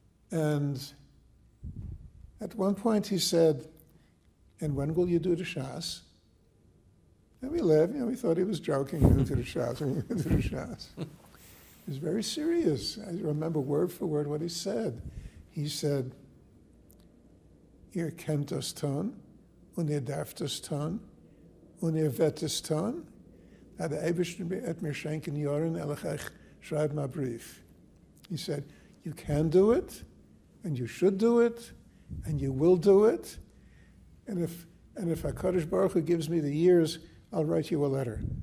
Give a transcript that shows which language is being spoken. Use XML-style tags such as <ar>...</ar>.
<en>And at one point he said, and when will you do the Shas? And we laughed, you know, we thought he was joking, we do the Shas. He was very serious. I remember word for word what he said. He said,</en> <yi>ihr kennt das Ton, und ihr darft das Ton, und ihr wett das Ton.</yi> <en>He said, you can do it, and you should do it, and you will do it. And if HaKadosh Baruch Hu gives me the years, I'll write you a letter.</en>